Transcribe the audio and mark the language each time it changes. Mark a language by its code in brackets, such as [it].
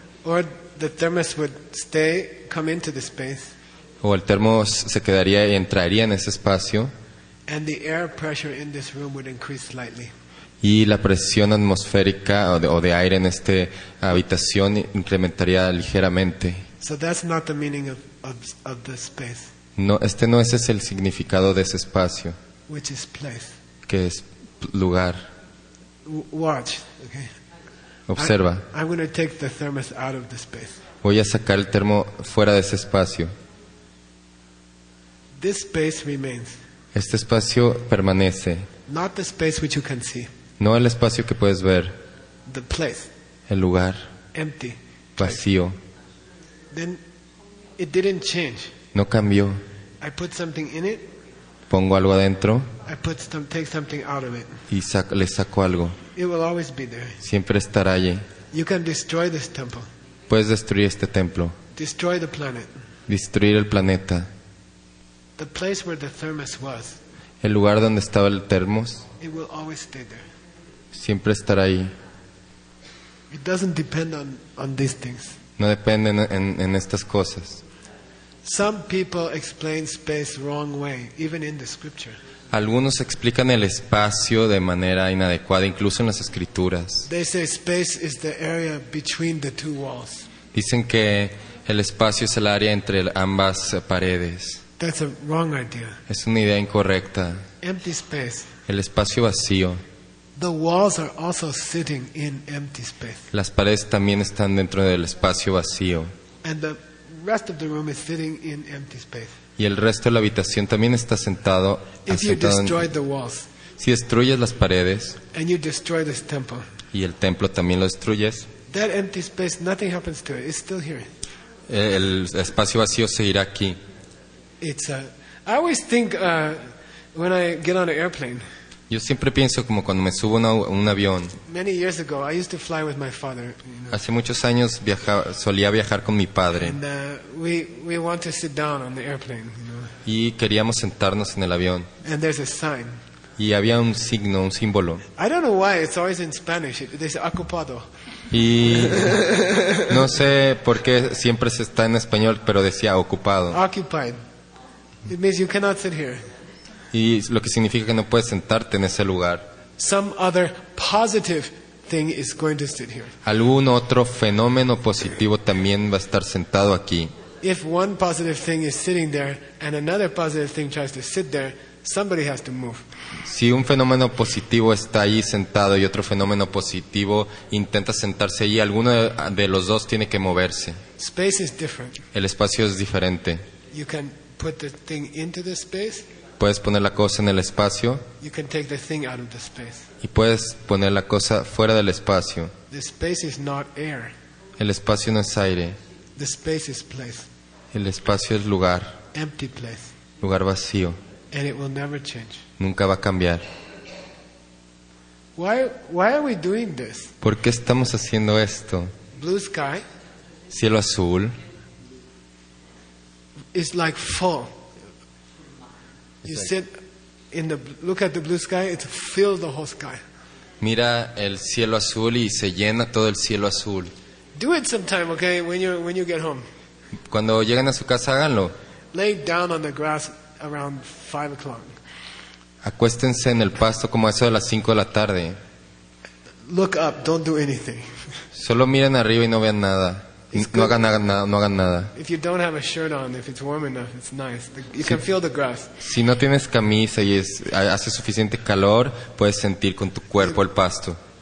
[en] Or the thermos would stay, come into the space, [es] o el termo se quedaría y entraría en ese espacio. [en] And the air pressure in this room would increase slightly. [es] Y la presión atmosférica o de aire en esta habitación incrementaría ligeramente. [en] So that's not the meaning of the space. [es] No, este no ese es el significado de ese espacio. [en] Which is place. [es] Que es lugar. [en] Watch, okay. [es] Observa. [en] I'm going to take the thermos out of the space. [es] Voy a sacar el termo fuera de ese espacio. [en] This space remains. [es] Este espacio permanece. [en] Not the space which you can see. [es] No el espacio que puedes ver. [en] The place. [es] El lugar. [en] Empty. [es] Vacío. [en] Then it didn't change. [es] No cambió. [en] I put something in it. [es] Pongo algo adentro. [en] I put some, take something out of it. [es] Y le saco algo. [en] It will always be there. [es] Siempre estará allí. [en] You can destroy this temple. [es] Puedes destruir este templo. [en] Destroy the planet. [es] Destruir el planeta. [en] The place where the thermos was, [es] el lugar donde estaba el termos, [en] it will always stay there. [es] Siempre estará ahí. [en] It doesn't depend on these things. [es] No depende en estas cosas. [en] Some people explain space wrong way, even in the scripture. [es] Algunos explican el espacio de manera inadecuada, incluso en las escrituras. [en] They say space is the area between the two walls. [es] Dicen que el espacio es el área entre ambas paredes. [en] That's a wrong idea. [es] Es una idea incorrecta. [en] Empty space. [es] El espacio vacío. [en] The walls are also sitting in empty space. [es] Las paredes también están dentro del espacio vacío. [en] And the rest of the room is sitting in empty space. [es] Y el resto de la habitación también está sentado. [en] If you destroy the walls, [es] si destruyes las paredes, [en] and you destroy this temple, [es] y el templo también lo destruyes, [en] that empty space, nothing happens to it. It's still here. [es] El espacio vacío seguirá aquí. [en] It's a. I always think when I get on an airplane. [es] Yo siempre pienso como cuando me subo a un avión. [en] Many years ago, I used to fly with my father. You know. [es] Hace muchos años solía viajar con mi padre. [en] And we want to sit down on the airplane. You know. [es] Y queríamos sentarnos en el avión. [en] And there's a sign. [es] Y había un signo, un símbolo. [en] I don't know why it's always in Spanish. It is ocupado. [es] Y no sé por qué siempre se está en español, pero decía ocupado. [en] Occupied. It means you cannot sit here. [es] Y lo que significa que no puedes sentarte en ese lugar. [en] Some other positive thing is going to sit here. [es] Algún otro fenómeno positivo también va a estar sentado aquí. [en] If one positive thing is sitting there and another positive thing tries to sit there, somebody has to move. [es] Si un fenómeno positivo está ahí sentado y otro fenómeno positivo intenta sentarse allí, alguno de los dos tiene que moverse. [en] Space is different. [es] El espacio es diferente. [en] You can put the thing into the space. [es] Puedes poner la cosa en el espacio. [en] You can take the thing out of the space. [es] Y puedes poner la cosa fuera del espacio. [en] The space is not air. [es] El espacio no es aire. [en] The space is place. [es] El espacio es lugar. [en] Empty place. [es] Lugar vacío. [en] And it will never change. [es] Nunca va a cambiar. [en] Why are we doing this? [es] ¿Por qué estamos haciendo esto? [en] Blue sky. [es] Cielo azul. [en] It's like full. You sit in the look at the blue sky. It fills the whole sky. [es] Mira el cielo azul y se llena todo el cielo azul. [en] Do it sometime, okay? When you get home. [es] Cuando lleguen a su casa, háganlo. [en] Lay down on the grass around 5:00. [es] Acuéstense en el pasto como eso de las 5:00 p.m. [en] Look up. Don't do anything. [es] Solo miren arriba y no vean nada. No hagan nada. [en] If you don't have a shirt on, if it's warm enough, it's nice. You can feel the grass. [es] Si no tienes camisa y hace suficiente calor, puedes sentir con tu cuerpo el pasto.